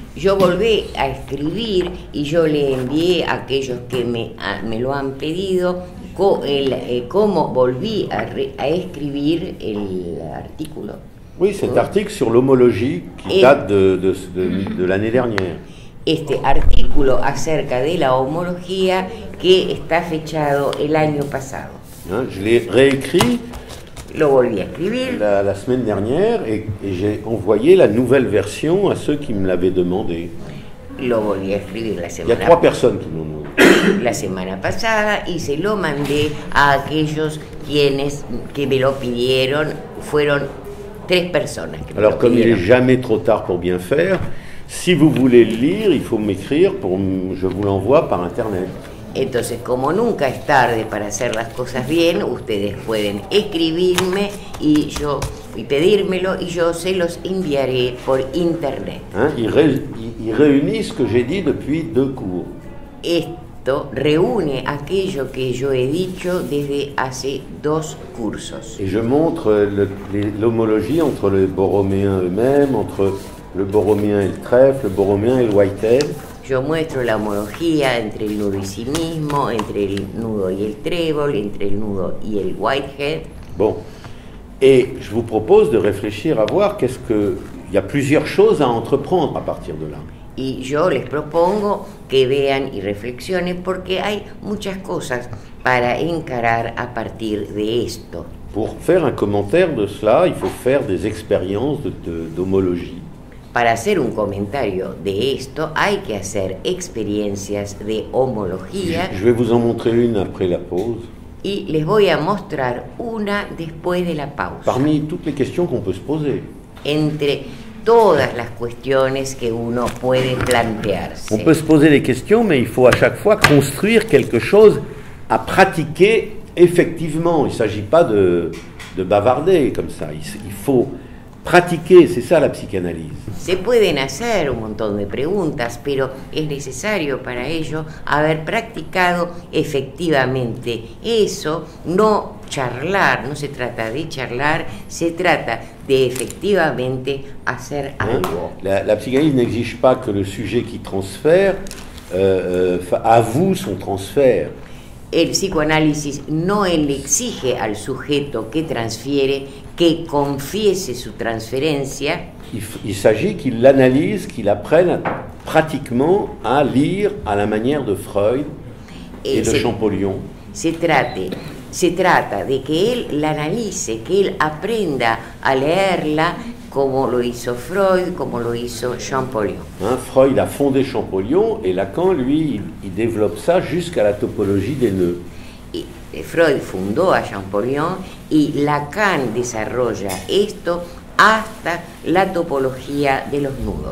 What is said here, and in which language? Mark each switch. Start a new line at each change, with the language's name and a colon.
Spanish: Je volví a escribir y yo le envié a aquellos que me lo han pedido cómo volví a escribir el artículo.
French: Oui, cet article sur l'homologie qui date de l'année dernière.
Spanish: Este artículo acerca de la homología que está fechado el año pasado.
French: Hein, je l'ai réécrit.
Spanish: Lo volví a escribir.
French: La semaine dernière et j'ai envoyé la nouvelle version à ceux qui me l'avaient demandé.
Spanish: Lo volví a escribir la semana.
French: Il y a trois personnes qui m'ont demandé.
Spanish: La semana pasada y se lo mandé a aquellos quienes que me lo pidieron fueron tres personas.
French: Que alors comme il n'est jamais trop tard pour bien faire, si vous voulez le lire, il faut m'écrire pour je vous l'envoie par internet.
Spanish: Entonces, como nunca es tarde para hacer las cosas bien, ustedes pueden escribirme y yo y pedírmelo y yo se los enviaré por internet.
French: Hein, il réunit ce que j'ai dit depuis deux cours.
Spanish: Esto reúne aquello que yo he dicho desde hace dos cursos.
French: Et je montre l'homologie entre les borroméens eux-mêmes, entre le borroméen et le trèfle, le borroméen et le whitetail.
Spanish: Yo muestro la homología entre el nudo y sí mismo, entre el nudo y el trébol, entre el nudo y el whitehead.
French: Bon, et je vous propose de réfléchir à voir qu'est-ce que... Il y a plusieurs choses à entreprendre à partir de là.
Spanish: Y yo les propongo que vean y reflexionen porque hay muchas cosas para encarar a partir de esto.
French: Pour faire un commentaire de cela, il faut faire des expériences d'homologie.
Spanish: Para hacer un comentario de esto, hay que hacer experiencias de homología.
French: Je vais vous en montrer une après la pause.
Spanish: Y les voy a mostrar una después de la pausa.
French: Parmi toutes les questions qu'on peut se poser.
Spanish: Entre todas las cuestiones que uno puede plantearse.
French: On peut se poser des questions, mais il faut à chaque fois construire quelque chose à pratiquer effectivement. Il ne s'agit pas de bavarder comme ça. Il faut... Pratiquer, c'est ça la psychanalyse.
Spanish: Se pueden hacer un montón de preguntas, pero es necesario para ello haber practicado efectivamente eso, no charlar, no se trata de charlar, se trata de efectivamente hacer algo.
French: La psychanalyse n'exige pas que le sujet qui transfère avoue son transfert.
Spanish: El psicoanálisis no le exige al sujeto que transfiere que confiese su transferencia.
French: Il s'agit qu'il l'analyse, qu'il apprenne pratiquement à lire à la manière de Freud et de Champollion.
Spanish: Se trata de que él la analice, que él aprenda a leerla como lo hizo Freud, como lo hizo Champollion.
French: Hein, Freud a fondé Champollion et Lacan, lui, il développe ça jusqu'à la topologie des nœuds.
Spanish: Freud fundó a Champollion y Lacan desarrolla esto hasta la topología de los nudos.